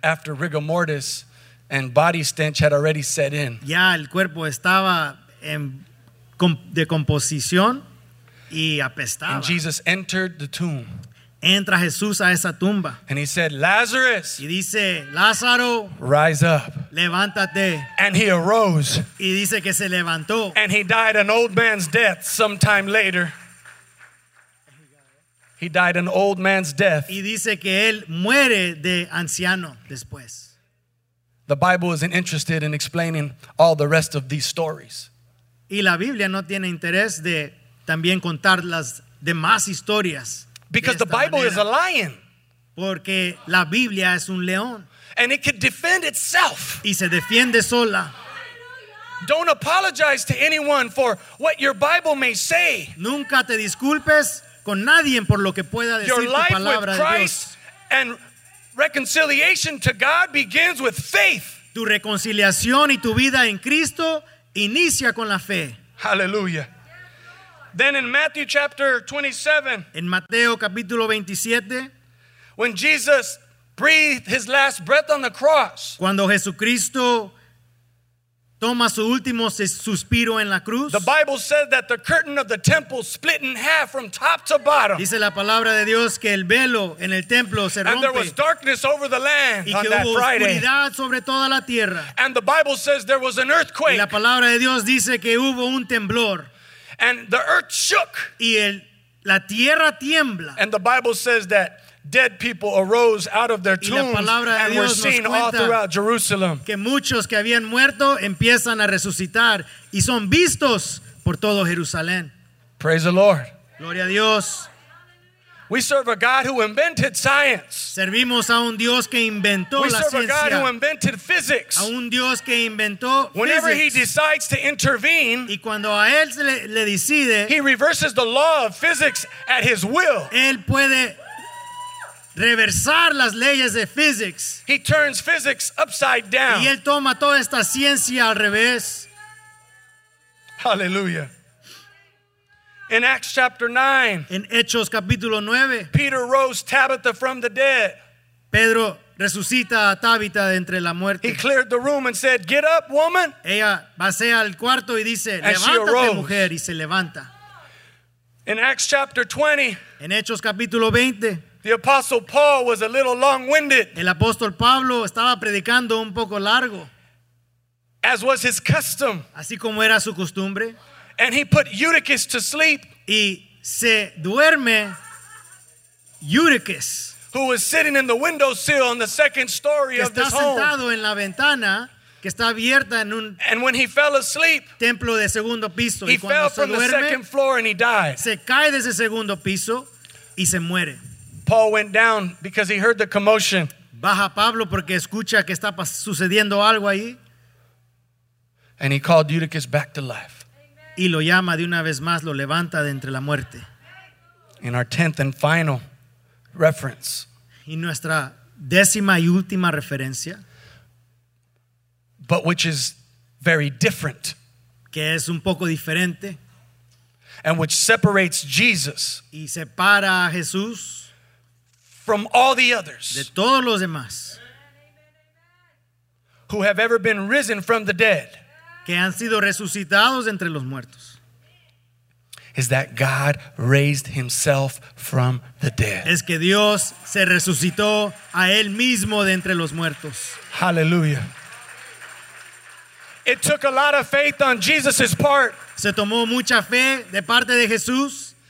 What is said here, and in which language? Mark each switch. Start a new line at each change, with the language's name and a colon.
English: After rigor mortis and body stench had already set in.
Spanish: Ya el cuerpo estaba en decomposición y apestaba.
English: And Jesus entered the tomb.
Spanish: Entra Jesús a esa tumba.
English: And he said, Lazarus.
Spanish: Y dice, Lázaro.
English: Rise up.
Spanish: Levántate.
English: And he arose.
Spanish: Y dice que se levantó.
English: And he died an old man's death sometime later. He died an old man's death.
Spanish: Y dice que él muere de anciano después.
English: The Bible isn't interested in explaining all the rest of these stories.
Spanish: Y la Biblia no tiene interés de también contar las demás historias.
English: Because the Bible
Spanish: manera.
English: Is a lion.
Spanish: Porque la Biblia es un león.
English: And it can defend itself.
Spanish: Y se defiende sola.
English: Don't apologize to anyone for what your Bible may say.
Spanish: Nunca te disculpes con nadie por lo que pueda decir tu palabra de Dios.
English: Your life with Christ and reconciliation to God begins with faith.
Spanish: Tu reconciliación y tu vida en Cristo inicia con la fe.
English: Hallelujah. Then in Matthew chapter 27.
Spanish: En Mateo capítulo 27.
English: When Jesus breathed his last breath on the cross.
Spanish: Cuando Jesucristo toma su último suspiro en la cruz.
English: The Bible says that the curtain of the temple split in half from top to bottom.
Spanish: Dice la palabra de Dios que el velo en el templo se rompe.
English: And there was darkness over the land on that Friday.
Spanish: Y que hubo oscuridad sobre toda la tierra.
English: And the Bible says there was an earthquake.
Spanish: Y la palabra de Dios dice que hubo un temblor.
English: And the earth shook.
Spanish: Y la tierra tiembla.
English: And the Bible says that dead people arose out of their tombs and were seen all throughout Jerusalem.
Spanish: Que muchos que habían muerto empiezan a resucitar y son vistos por todo Jerusalén.
English: Praise the Lord.
Spanish: Gloria a Dios.
English: We serve a God who invented science.
Spanish: Servimos a un Dios que inventó la ciencia.
English: We serve a God who invented physics.
Spanish: A un Dios que inventó
English: whenever physics. He decides to intervene,
Spanish: y cuando a él le decide,
English: he reverses the law of physics at his will.
Spanish: Él puede reversar las leyes de physics.
English: He turns physics upside down.
Spanish: Y él toma toda esta ciencia al revés.
English: Hallelujah. In Acts chapter 9.
Spanish: En Hechos capítulo 9.
English: Peter rose Tabitha from the dead.
Spanish: Pedro resucita a Tabitha de entre la muerte.
English: He cleared the room and said, "Get up, woman."
Spanish: Ella vacía el cuarto y dice, "Levántate, mujer," y se levanta.
English: In Acts chapter 20.
Spanish: En Hechos capítulo 20.
English: The apostle Paul was a little long-winded.
Spanish: El apóstol Pablo estaba predicando un poco largo.
English: As was his custom.
Spanish: Así como era su costumbre.
English: And he put Eutychus to sleep.
Spanish: Y se duerme Eutychus,
English: who was sitting in the windowsill on the second story of this home.
Spanish: Está sentado en la ventana que está abierta en un
English: and when he fell asleep,
Spanish: templo de segundo piso.
English: He
Spanish: y cuando se
English: from
Spanish: duerme,
English: the second floor and he died.
Spanish: Se cae desde segundo piso y se muere.
English: Paul went down because he heard the commotion.
Spanish: Baja Pablo porque escucha que está sucediendo algo ahí.
English: And he called Eutychus back to life.
Spanish: Y lo llama de una vez más, lo levanta de entre la muerte.
English: In our 10th and final reference.
Spanish: Y nuestra décima y última referencia.
English: But which is very different.
Spanish: Que es un poco diferente.
English: And which separates Jesus.
Spanish: Y separa a Jesús.
English: From all the others,
Spanish: de todos los demás,
English: who have ever been risen from the dead,
Spanish: que han sido resucitados entre los muertos,
English: is that God raised Himself from the dead.
Spanish: Es que Dios se resucitó a él mismo de entre los muertos.
English: Hallelujah. It took a lot of faith on Jesus' part.
Spanish: Se tomó mucha fe de parte de Jesús.